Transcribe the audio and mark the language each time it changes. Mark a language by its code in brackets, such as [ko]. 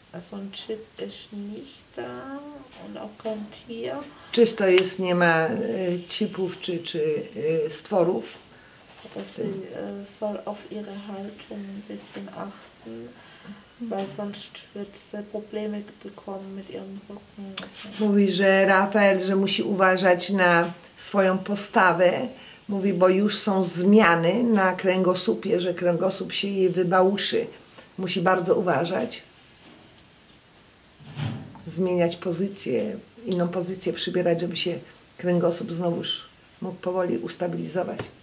[de] So ein Chip ist nicht da und auch kein Tier. [pl] Czysto jest, nie ma chipów czy stworów. [de] Sie soll auf ihre Haltung ein bisschen achten, weil sonst wird sie Probleme bekommen mit ihrem Rücken. [pl] Mówi, że Rafael, że musi uważać na swoją postawę. Mówi, bo już są zmiany na kręgosłupie, że kręgosłup się jej wybałuszy. Musi bardzo uważać. Zmieniać pozycję, inną pozycję przybierać, żeby się kręgosłup znowuż mógł powoli ustabilizować.